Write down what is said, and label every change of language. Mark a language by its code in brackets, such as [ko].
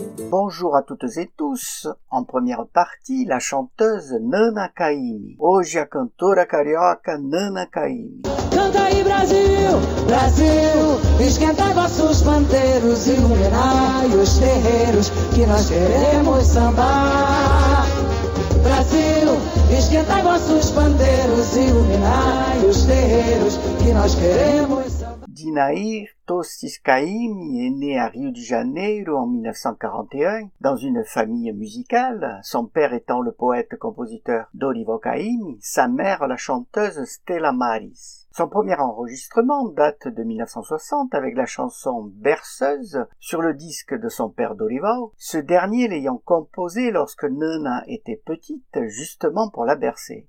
[fr] Bonjour à toutes et tous. En première partie, la chanteuse Nana Caymmi. [pt] Hoje, a cantora carioca Nana Caymmi. Canta aí, Brasil, Brasil, esquentai vossos panteiros, iluminai os terreiros, que nós queremos sambar. Brasil, esquentai vossos panteiros, iluminai os terreiros, que nós queremos sambar. [fr] Dinair Tostes Caymmi est né à Rio de Janeiro en 1941 dans une famille musicale, son père étant le poète-compositeur Dorival Caymmi, sa mère la chanteuse Stella Maris. Son premier enregistrement date de 1960 avec la chanson « Berceuse » sur le disque de son père Dorival, ce dernier l'ayant composé lorsque Nana était petite, justement pour la bercer.